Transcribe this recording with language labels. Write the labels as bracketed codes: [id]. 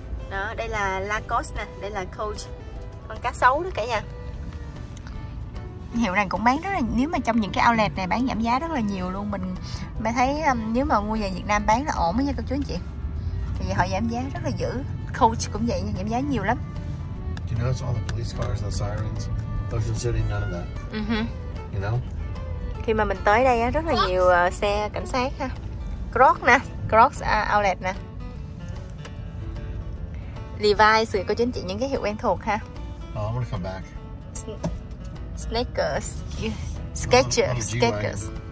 [vi] Đó, đây là Lacoste nè, đây là Coach. Con cá sấu đó cả nhà. Hiệu này cũng bán rất là, nếu mà trong những cái outlet này bán giảm giá rất là nhiều luôn. Mình mới thấy nếu mà mua về Việt Nam bán là ổn nha cô chú anh chị. Thì họ giảm giá rất là dữ. Coach cũng vậy, giảm giá nhiều lắm. [en] You notice all the police cars, the sirens, Ocean City, none of that. You know? [vi] Khi mà mình tới đây á, rất là Crocs. Nhiều xe cảnh sát ha. Crocs nè, Crocs outlet nè. Levi's, có chính trị những cái hiệu quen thuộc ha. [en] Oh, I'm gonna come back. Snickers, Skechers, Skechers.